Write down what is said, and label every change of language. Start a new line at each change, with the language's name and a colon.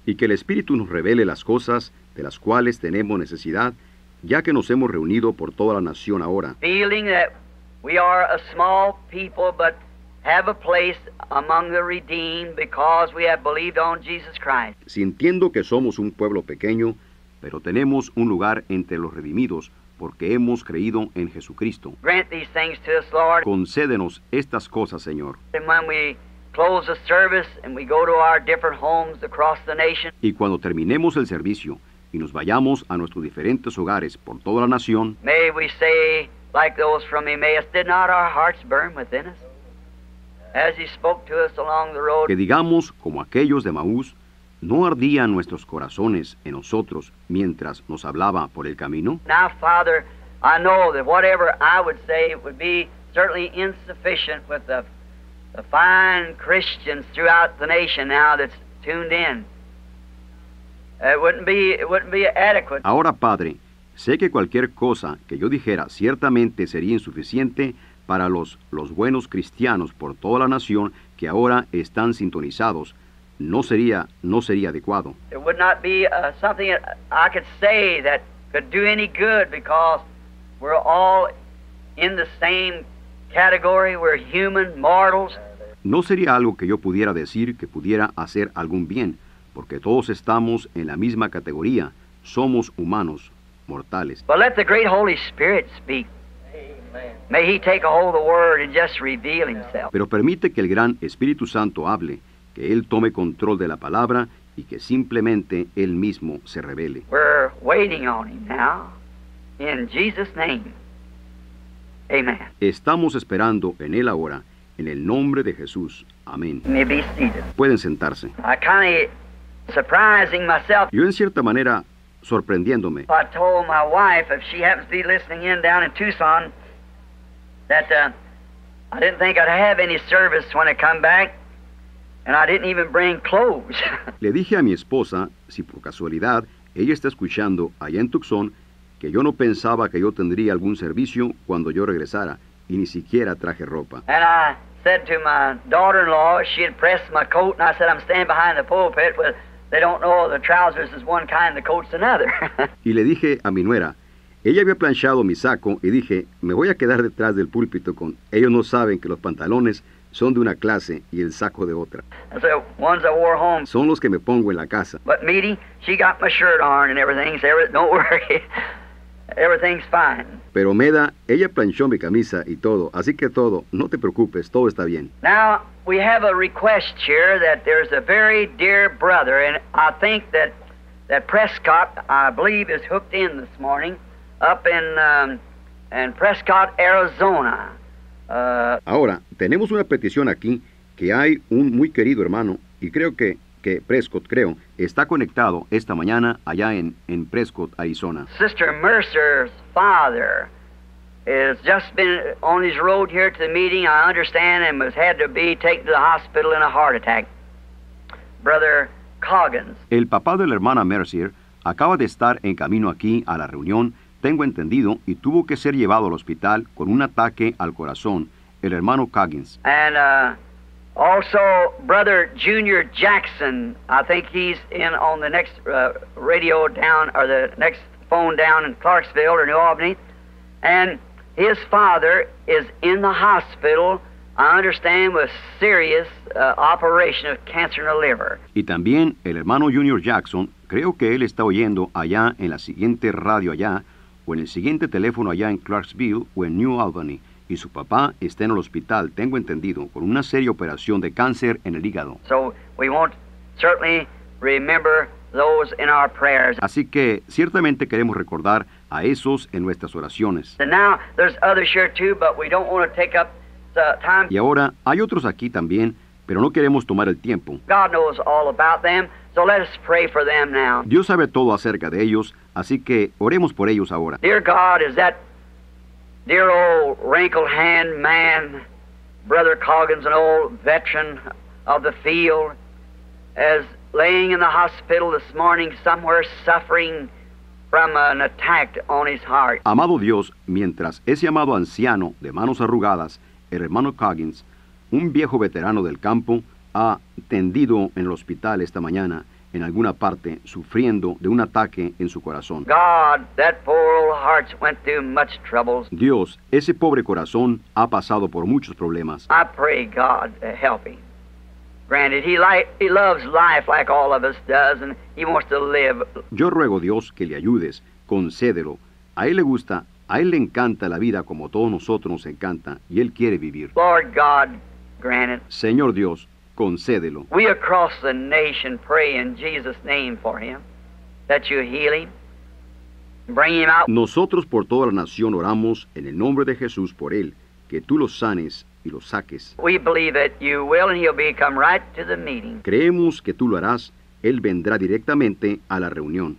Spanish: Y que el Espíritu nos revele las cosas de las cuales tenemos necesidad, ya que nos hemos reunido por toda la nación ahora.
English: Feeling that we are a small people, but have a place among the redeemed because we have believed on Jesus Christ.
Spanish: Sintiendo que somos un pueblo pequeño, pero tenemos un lugar entre los redimidos porque hemos creído en Jesucristo.
English: Grant these things to us, Lord.
Spanish: Concédenos estas cosas, Señor.
English: And when we close the service and we go to our different homes across the nation.
Spanish: Y cuando terminemos el servicio y nos vayamos a nuestros diferentes hogares por toda la nación.
English: May we say, like those from Emmaus, did not our hearts burn within us? As he spoke to us along the road.
Spanish: Que digamos como aquellos de Maús, ¿no ardían nuestros corazones en nosotros mientras nos hablaba por el camino?
English: Now, Father, I know that whatever I would say would be certainly insufficient with the fine Christians throughout the nation now that's tuned in. It wouldn't be adequate.
Spanish: Ahora, Padre, sé que cualquier cosa que yo dijera ciertamente sería insuficiente para los buenos cristianos por toda la nación que ahora están sintonizados. No sería adecuado.
English: It would not be something I could say that could do any good, because we're all in the same category. We're human mortals.
Spanish: No sería algo que yo pudiera decir que pudiera hacer algún bien, porque todos estamos en la misma categoría. Somos humanos mortales.
English: But let the great Holy Spirit speak. May he take a hold of the word and just reveal himself.
Spanish: Pero permite que el gran Espíritu Santo hable, que él tome control de la palabra y que simplemente Él mismo se revele.
English: We're waiting on Him now, in Jesus' name. Amen.
Spanish: Estamos esperando en Él ahora, en el nombre de Jesús. Amén.
English: May be seated.
Spanish: Pueden sentarse.
English: I kind of surprising myself.
Spanish: Yo en cierta manera, sorprendiéndome.
English: I told my wife, if she happens to be listening in down in Tucson, that I didn't think I'd have any service when I come back. And I didn't even bring clothes.
Spanish: Le dije a mi esposa, si por casualidad ella está escuchando allá en Tucson, que yo no pensaba que yo tendría algún servicio cuando yo regresara, y ni siquiera traje ropa.
English: And I said to my daughter-in-law, she had pressed my coat, and I said, I'm standing behind the pulpit, but they don't know the trousers is one kind, the coat's another.
Spanish: Y le dije a mi nuera, ella había planchado mi saco, y dije, me voy a quedar detrás del púlpito con, ellos no saben que los pantalones son de una clase y el saco de otra.
English: So, ones I wore home.
Spanish: Son los que me pongo en la casa.
English: But Meaty, she got my shirt on and everything, so don't worry. Everything's fine.
Spanish: Pero Meda, ella planchó mi camisa y todo, así que todo, no te preocupes, todo está bien.
English: Now, we have a request here that there's a very dear brother, and I think that Prescott, I believe, is hooked in this morning, up in Prescott, Arizona.
Spanish: Ahora, tenemos una petición aquí que hay un muy querido hermano y creo que Prescott, creo, está conectado esta mañana allá en Prescott, Arizona.
English: Sister Mercer's father has just been on his road here to the meeting, I understand, and has had to be taken to the hospital in a heart attack. Brother Coggins.
Spanish: El papá de la hermana Mercer acaba de estar en camino aquí a la reunión, tengo entendido, y tuvo que ser llevado al hospital con un ataque al corazón, el hermano Coggins.
English: And also Brother Junior Jackson, I think he's in on the next radio down, or the next phone down in Clarksville or New Albany, and his father is in the hospital, I understand, with serious operation of cancer in the liver.
Spanish: Y también el hermano Junior Jackson, creo que él está oyendo allá en la siguiente radio allá, o en el siguiente teléfono allá en Clarksville o en New Albany, y su papá está en el hospital, tengo entendido, con una seria operación de cáncer en el hígado.
English: So we won't certainly remember those in our prayers.
Spanish: Así que ciertamente queremos recordar a esos en nuestras oraciones.
English: And now there's others here too, but we don't want to take up the time.
Spanish: Y ahora hay otros aquí también, pero no queremos tomar el tiempo.
English: God knows all about them, so let us pray for them now.
Spanish: Dios sabe todo acerca de ellos, así que oremos por ellos ahora.
English: Dear God, is that dear old wrinkled hand man, Brother Coggins, an old veteran of the field, as laying in the hospital this morning somewhere suffering from an attack on his heart.
Spanish: Amado Dios, mientras ese amado anciano de manos arrugadas, el hermano Coggins, un viejo veterano del campo, ha tendido en el hospital esta mañana, en alguna parte, sufriendo de un ataque en su corazón.
English: God, that poor old heart went through much troubles.
Spanish: Dios, ese pobre corazón ha pasado por muchos problemas.
English: I pray God to help him. Granted, he loves life like all of us does, and he wants to live.
Spanish: Yo ruego Dios que le ayudes, concédelo. A él le gusta, a él le encanta la vida como todos nosotros nos encanta, y él quiere vivir.
English: Lord God, grant it.
Spanish: Señor Dios, concédelo.
English: We across the nation pray in Jesus' name for him, that you heal him, bring him out.
Spanish: Nosotros por toda la nación oramos en el nombre de Jesús por él, que tú lo sanes y lo saques.
English: We believe that you will, and he'll be come right to the meeting.
Spanish: Creemos que tú lo harás, él vendrá directamente a la reunión.